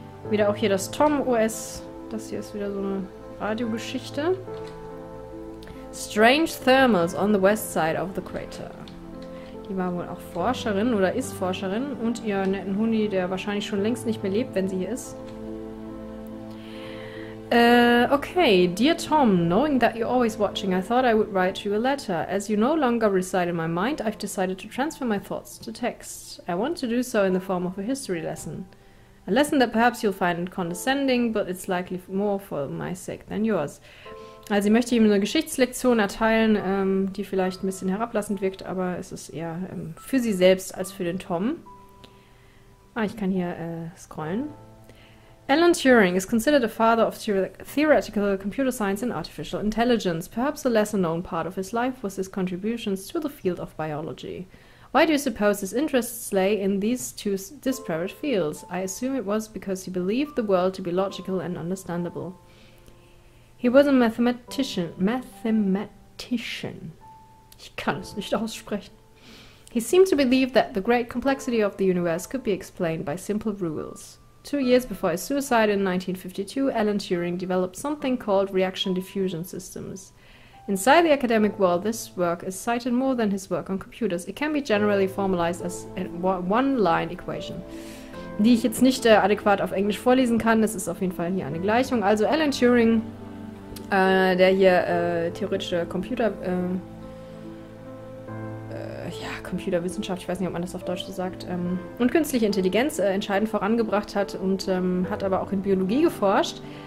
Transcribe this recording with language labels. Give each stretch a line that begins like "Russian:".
German: Wieder auch hier das Tom-OS. Das hier ist wieder so eine Radiogeschichte.
English: Strange Thermals on the west side of the crater.
German: Die war wohl auch Forscherin oder ist Forscherin. Und ihr netten Huni, der wahrscheinlich schon längst nicht mehr lebt, wenn sie hier ist.
English: Okay, dear Tom, knowing that you're always watching, I thought I would write you a letter. As you no longer reside in my mind, I've decided to transfer my thoughts to text. I want to do so in the form of a history lesson. A lesson that perhaps you'll find condescending, but it's likely more for my sake than yours.
German: Also ich möchte ihm eine Geschichtslektion erteilen, die vielleicht ein bisschen herablassend wirkt, aber es ist eher für sie selbst als für den Tom. Ah, ich kann hier scrollen.
English: Alan Turing is considered a father of theoretical computer science and artificial intelligence. Perhaps a lesser known part of his life was his contributions to the field of biology. Why do you suppose his interests lay in these two disparate fields? I assume it was because he believed the world to be logical and understandable. He was a mathematician. Mathematician.
German: Ich kann es nicht aussprechen.
English: He seemed to believe that the great complexity of the universe could be explained by simple rules. 2 years before his suicide in 1952, Alan Turing developed something called reaction diffusion systems. Inside the academic world, this work is cited more than his work on computers. It can be generally formalized as a one-line equation.
German: Die ich jetzt nicht adäquat auf Englisch vorlesen kann, das ist auf jeden Fall hier eine Gleichung. Also Alan Turing, der hier theoretische Computer... ja, Computerwissenschaft, ich weiß nicht, ob man das auf Deutsch so sagt, und künstliche Intelligenz entscheidend vorangebracht hat und hat aber auch in Biologie geforscht.